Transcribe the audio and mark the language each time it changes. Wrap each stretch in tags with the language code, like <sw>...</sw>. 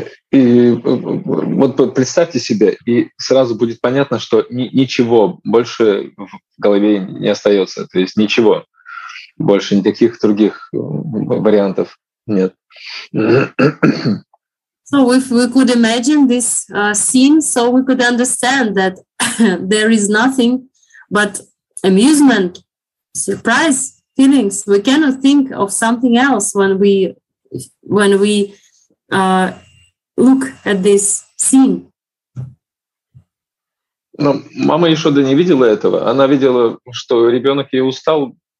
<ru>И вот представьте себе, и сразу будет понятно, что ничего больше в голове не остается, то есть ничего больше, никаких других вариантов нет.</ru> <en>So if we could imagine this scene, so we could understand that there is nothing but amusement, surprise, feelings. We cannot think of something else when we look at this scene.</en> <ru>Но мама еще да не видела этого. Она видела, что ребенок ей устал.</ru>